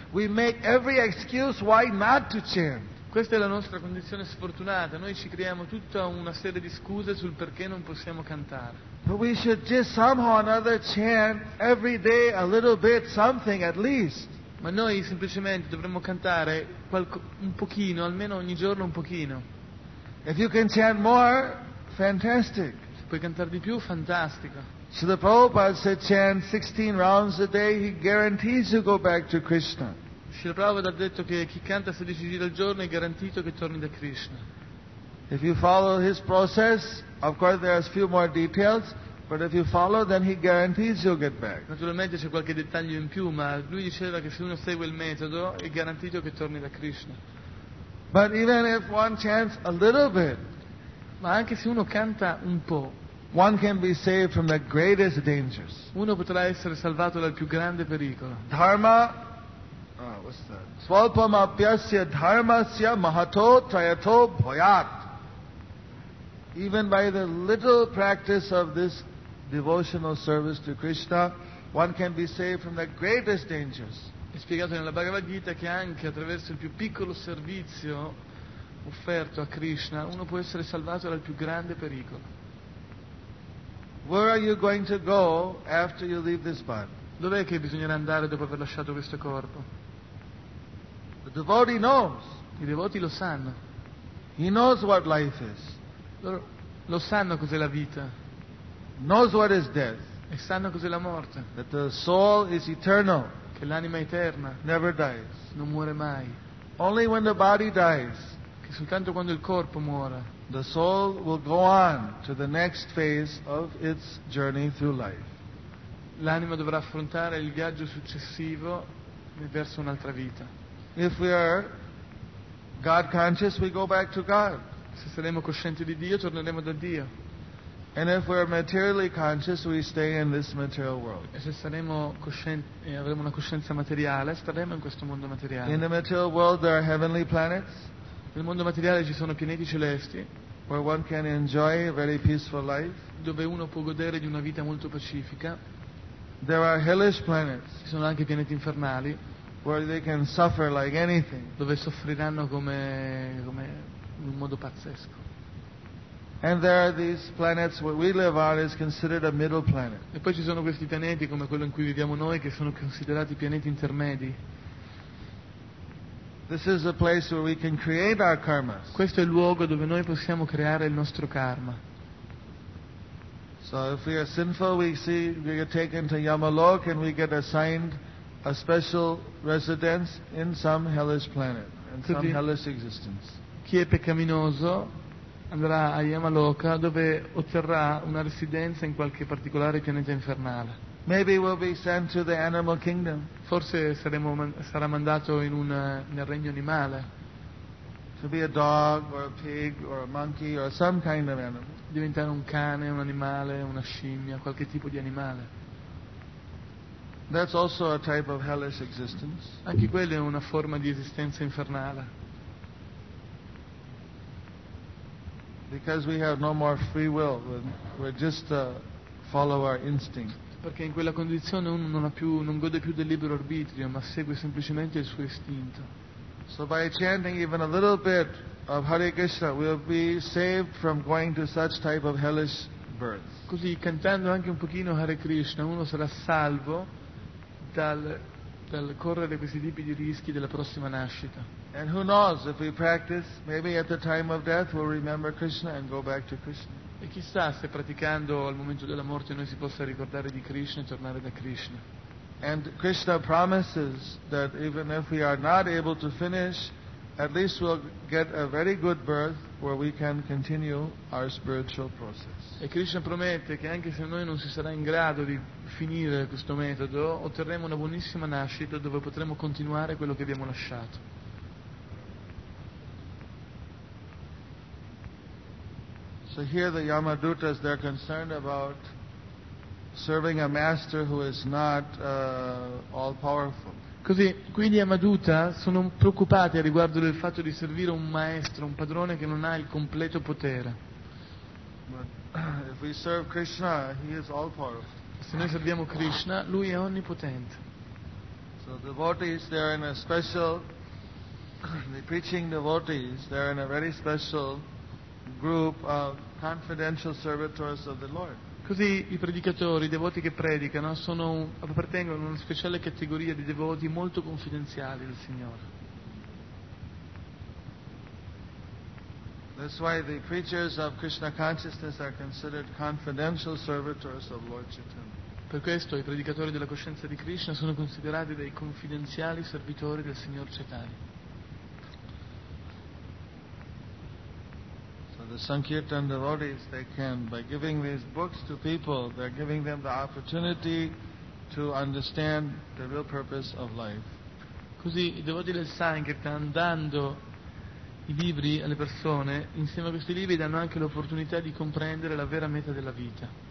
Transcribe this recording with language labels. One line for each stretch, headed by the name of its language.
English: We make every excuse why not to chant.
Italian: Questa è la nostra condizione sfortunata. Noi ci creiamo tutta una serie di scuse sul perché non possiamo cantare.
English: But we should just somehow or another chant every day a little bit, something at least.
Italian: Ma noi semplicemente dovremmo cantare un pochino, almeno ogni giorno un pochino.
English: If you can chant more, fantastic.
Italian: Se puoi cantare di più, fantastico.
English: So the Prabhupada said chant 16 rounds a day, he guarantees you go back to Krishna.
Italian: Srila Prabhupada ha detto che chi canta 16 giri al giorno è garantito che torni da Krishna.
English: If you follow his process, of course there are a few more details, but if you follow, then he guarantees you'll get back.
Italian: Naturalmente c'è qualche dettaglio in più, ma lui diceva che se uno segue il metodo è garantito che torni da Krishna.
English: But even if one chants a little bit,
Italian: ma anche se uno canta un po',
English: one can be saved from the greatest dangers.
Italian: Uno potrà essere salvato dal più grande pericolo.
Sanskrit: Dharma. Svalpam apyasya dharmasya mahato trayato bhayat.
English: Even by the little practice of this devotional service to Krishna, one can be saved from the greatest dangers.
Italian: È spiegato nella Bhagavad Gita che anche attraverso il più piccolo servizio offerto a Krishna, uno può essere salvato dal più grande pericolo.
English: Where are you going to go after you leave this body?
Italian: Dov'è che bisognerà andare dopo aver lasciato questo corpo?
English: The devotee knows.
Italian: I devoti lo sanno.
English: He knows what life is.
Italian: Lo sanno cos'è la vita.
English: Knows what is death.
Italian: E sanno cos'è la morte.
English: That the soul is eternal.
Italian: Che l'anima è eterna.
English: Never dies.
Italian: Non muore mai.
English: Only when the body dies.
Italian: Che soltanto quando il corpo muore.
English: The soul will go on to the next phase of its journey through life.
Italian: L'anima dovrà affrontare il viaggio successivo verso un'altra vita.
English: If we are God conscious, we go back to God.
Italian: Se saremo coscienti di Dio, torneremo da Dio.
English: And if we are materially conscious, we stay in this material world.
Italian: E se saremo coscienti, avremo una coscienza materiale, staremo in questo mondo materiale.
English: In the material world, there are heavenly planets.
Italian: Nel mondo materiale ci sono pianeti celesti.
English: Where one can enjoy a very peaceful life.
Italian: Dove uno può godere di una vita molto pacifica.
English: There are hellish planets.
Italian: Ci sono anche pianeti infernali.
English: Where they can suffer like anything.
Italian: Dove soffriranno come in un modo pazzesco.
English: And there are these planets where we live on is considered a middle planet.
Italian: E poi ci sono questi pianeti come quello in cui viviamo noi che sono considerati pianeti intermedi.
English: This is a place where we can create our karmas.
Italian: Questo è il luogo dove noi possiamo creare il nostro karma.
English: So if we are sinful, we see we get taken to Yamalok and we get assigned a special residence in some hellish planet and some hellish existence.
Italian: Chi è peccaminoso andrà a Yamaloka dove otterrà una residenza in qualche particolare pianeta infernale.
English: Maybe we'll be sent to the animal kingdom.
Italian: Forse sarà mandato nel regno animale.
English: To be a dog or a pig or a monkey or some kind of animal.
Italian: Diventare un cane, un animale, una scimmia, qualche tipo di animale.
English: That's also a type of hellish existence.
Italian: Anche quella è una forma di esistenza infernale.
English: Because we have no more free will, we're just a follower instinct.
Italian: Perché in quella condizione uno non gode più del libero arbitrio, ma segue semplicemente il suo istinto.
English: So by chanting even a little bit of Hare Krishna, we'll be saved from going to such type of hellish births.
Italian: Così cantando anche un pochino Hare Krishna, uno sarà salvo dal correre questi tipi di rischi della prossima nascita.
English: And who knows if we practice, maybe at the time of death we'll remember Krishna and go back to Krishna.
Italian: E chissà se praticando al momento della morte noi si possa ricordare di Krishna e tornare da Krishna.
English: And Krishna promises that even if we are not able to finish, at least we'll get a very good birth where we can continue our spiritual process.
Italian: E Krishna promette che anche se noi non si sarà in grado di finire questo metodo, otterremo una buonissima nascita dove potremo continuare quello che abbiamo lasciato.
English: So here the Yamadutas, they're concerned about serving a master who is not all powerful.
Italian: Così, qui gli Yamaduta sono preoccupati a riguardo del fatto di servire un maestro, un padrone che non ha il completo potere.
English: If we serve Krishna, he is all powerful.
Italian: Se noi serviamo Krishna, lui è onnipotente.
English: So the devotees, they are in a special, the preaching devotees, they are in a very special group of confidential servitors of the Lord.
Italian: Così i predicatori, i devoti che predicano, sono appartengono a una speciale categoria di devoti molto confidenziali del Signore.
English: That's why the preachers of Krishna consciousness are considered confidential servitors of Lord Chaitanya.
Italian: Per questo i predicatori della coscienza di Krishna sono considerati dei confidenziali servitori del Signor Chaitanya.
English: So the Sankirtan devotees, they can, by giving these books to people, they're giving them the opportunity to understand the real purpose of life.
Italian: Così i devoti del Sankirtan, dando i libri alle persone, insieme a questi libri danno anche l'opportunità di comprendere la vera meta della vita.